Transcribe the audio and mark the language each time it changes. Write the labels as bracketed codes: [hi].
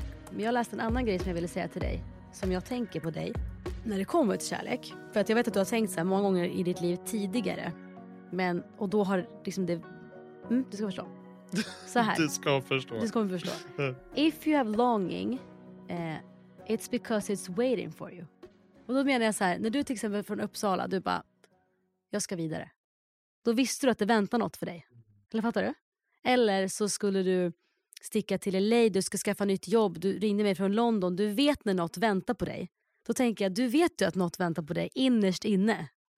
[sv] Men jag läste en annan grej som jag ville säga till dig. Som jag tänker på dig. När det kommer till kärlek. För att jag vet att du har tänkt så här många gånger i ditt liv tidigare. Men, och då har liksom det... du ska förstå. Så här. Du ska förstå. [en] If you have longing, it's because it's waiting for you. [sv] Och då menar jag så här. När du till exempel från Uppsala, du bara... jag ska vidare. Då visste du att det väntar något för dig. Eller fattar du? Eller så skulle du... sticka till LA, du ska skaffa nytt jobb, du ringer mig från London, du vet när något väntar på dig. Då tänker jag, du vet ju att något väntar på dig innerst inne.